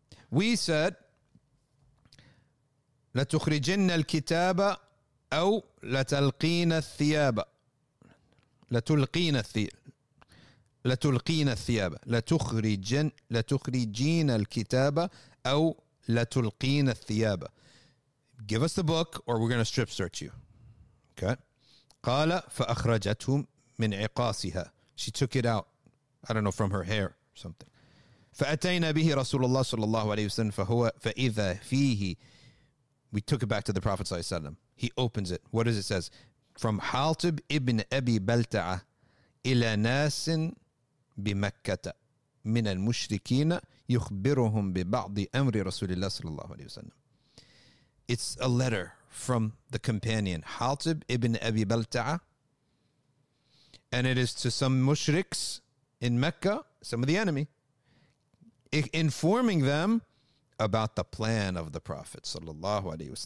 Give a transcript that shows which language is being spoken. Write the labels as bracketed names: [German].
[English] We said, [Arabic] لتخرجن الكتاب أو لتلقين الثياب. لتلقين الثياب. لتلقين الثياب لتخرجين الكتاب أو لتلقين الثياب. [English] Give us the book or we're going to strip search you. Okay. [Arabic] قال فأخرجته من عقاسها. [English] She took it out. I don't know, from her hair or something. [Arabic] فأتينا به رسول الله صلى الله عليه وسلم فهو فإذا فيه. [English] We took it back to the Prophet [Arabic] صلى الله عليه وسلم. [English] He opens it. What does it say? [Arabic] From حاطب ابن أبي بلتعة إلى ناس بمكة من المشركين يخبرهم ببعض أمر رسول الله صلى الله عليه وسلم. [English] It's a letter from the companion Hatib ibn Abi Balta'a, and it is to some mushriks in Mecca, some of the enemy, informing them about the plan of the Prophet sallallahu alaihi wasallam.